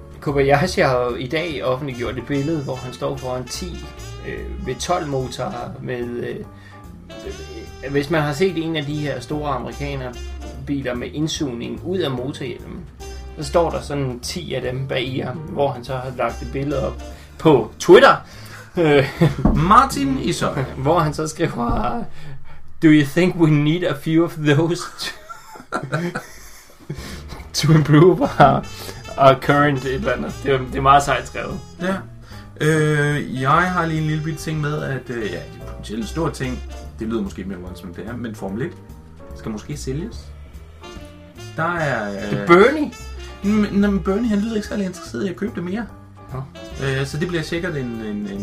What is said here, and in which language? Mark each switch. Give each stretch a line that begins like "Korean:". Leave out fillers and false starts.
Danish: Kobayashi har i dag offentliggjort et billede, hvor han står foran 10 V12 motorer med... hvis man har set en af de her store amerikanere biler med indsugning ud af motorhjelmen, så står der sådan 10 af dem bag i ham, hvor han så har lagt et billede op på Twitter. Martin Isøj. Hvor han så skriver...
English: Do you think we need a few of those to improve our current event?
Danish: Det er meget sejt skrevet. Ja. Jeg har lige en lille bit ting med, at det er potentielt en stor ting. Det lyder måske mere voldsomt, end det er, men Formel 1 skal måske sælges. Der er... Bernie? Men Bernie, han lyder ikke særlig interesseret i at købe det mere. Så det bliver sikkert en